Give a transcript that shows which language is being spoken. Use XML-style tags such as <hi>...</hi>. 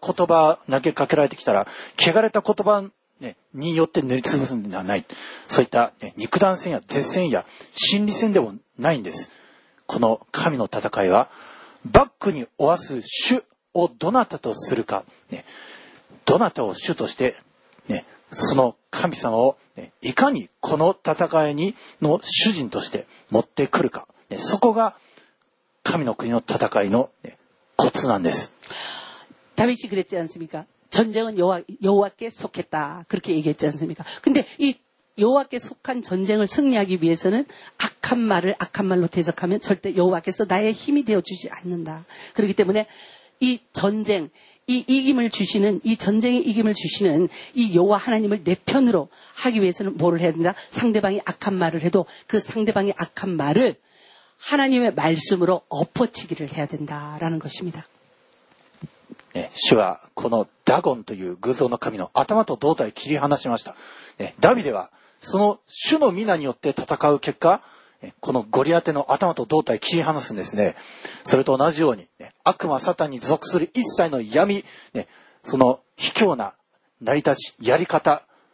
<ja>ですから巨人との戦い、もし目の前に巨人が現れたならば、装備に対して装備で戦ってはいけないです。力に対して力という肉弾戦ではない。あるいは汚れた言葉投げかけられてきたら、汚れた言葉 によって塗りつぶすんではない。そういった肉弾戦や舌戦や心理戦でもないんです。この神の戦いはバックに負わす主をどなたとするか、どなたを主として、その神様をいかにこの戦いの主人として持ってくるか、そこが神の国の戦いのコツなんです。旅しくれちゃうんすみか。</ja> <ko>전쟁은 여호와께 속했다. 그렇게 얘기했지 않습니까? 근데 이 여호와께 속한 전쟁을 승리하기 위해서는 악한 말을 악한 말로 대적하면 절대 여호와께서 나의 힘이 되어 주지 않는다. 그렇기 때문에 이 전쟁, 이 이김을 주시는 이 전쟁의 이김을 주시는 이 여호와 하나님을 내 편으로 하기 위해서는 뭐를 해야 된다? 상대방이 악한 말을 해도 그 상대방의 악한 말을 하나님의 말씀으로 엎어치기를 해야 된다라는 것입니다.</ko> <ja>主はこのダゴンという偶像の神の頭と胴体を切り離しました。ダビデはその主の御名によって戦う結果、このゴリアテの頭と胴体を切り離すんですね。それと同じように、悪魔サタンに属する一切の闇、その卑怯な成り立ち、やり方、</ja>